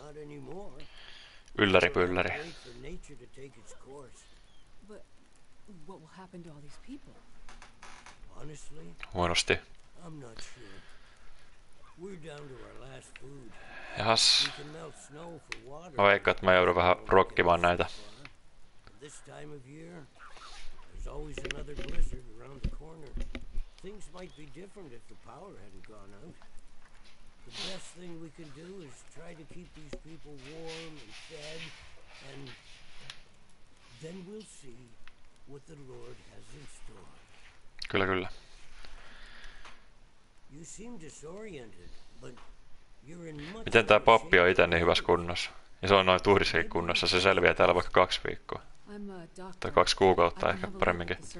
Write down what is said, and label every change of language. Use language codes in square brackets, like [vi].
[en] Not anymore. [fi] Ylläripylläri. [en] For nature to take its course. But what will happen to all these people? Honestly? [fi] Huonosti. [en] I'm not sure. We're down to our last food. [fi] Jahas. [en] We can melt snow for water. [fi] Mä veikkaan, että mä joudun vähän rokkimaan näitä. [en] This time of year, there's always another blizzard around the corner. Things might be different if the power hadn't gone out. The best thing we can do is try to keep these people warm and fed, and then we'll see what the Lord has in store. [fi] Kyllä, kyllä. [en] You seem disoriented, but you're in much. [fi] Miten tää pappi on itse niin hyvässä kunnossa? Ja se on noin tuhdissakin kunnossa, se selviää täällä vaikka 2 viikkoa. [en] I'm a doctor. [fi] Tai 2 kuukautta ehkä paremminkin.